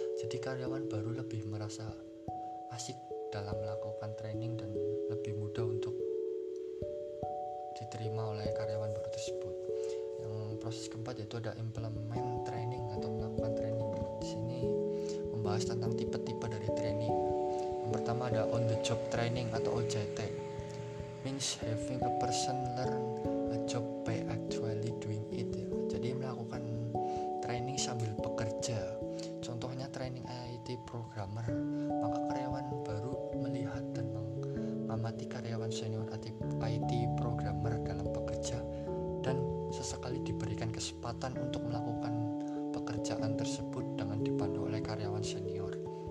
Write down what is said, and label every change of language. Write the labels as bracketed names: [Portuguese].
[Indonesian] Jadi karyawan baru lebih merasa asik dalam melakukan training dan lebih mudah untuk diterima oleh karyawan baru tersebut. Yang proses keempat yaitu ada implement training atau melakukan training. Di sini membahas tentang tipe-tipe dari training. Yang pertama ada on the job training atau OJT. [English] Means having a person learn a job by actually doing it, ya. [Indonesian] Jadi melakukan training sambil bekerja. Contohnya training IT programmer, maka karyawan baru melihat dan mengamati karyawan senior IT programmer dalam bekerja dan sesekali diberikan kesempatan untuk melakukan pekerjaan tersebut dengan dipandu oleh karyawan senior.